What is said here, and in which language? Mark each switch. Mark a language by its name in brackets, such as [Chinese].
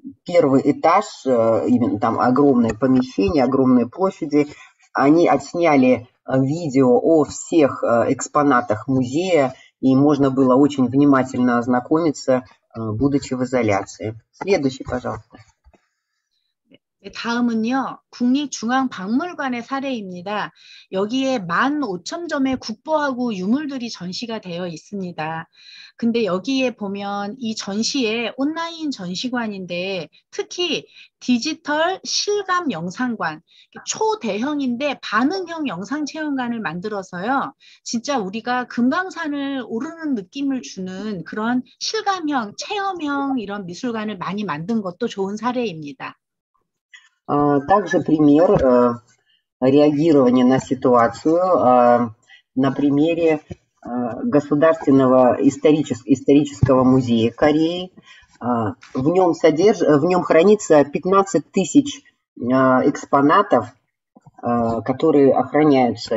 [Russian] первый этаж, именно там огромное помещение, огромные площади. Они отсняли видео о всех экспонатах музея, и можно было очень внимательно ознакомиться, будучи в изоляции. Следующий, пожалуйста. [Korean] 다음은요, 국립중앙박물관의 사례입니다. 여기에 15,000점의 국보하고 유물들이 전시가 되어 있습니다. 근데 여기에 보면 이 전시에 온라인 전시관인데 특히 디지털 실감 영상관, 초대형인데 반응형 영상 체험관을 만들어서요. 진짜 우리가 금강산을 오르는 느낌을 주는 그런 실감형, 체험형 이런 미술관을 많이 만든 것도 좋은 사례입니다. [Russian] Также пример реагирования на ситуацию на примере Государственного исторического музея Кореи. В нем хранится 15 тысяч экспонатов, которые охраняются.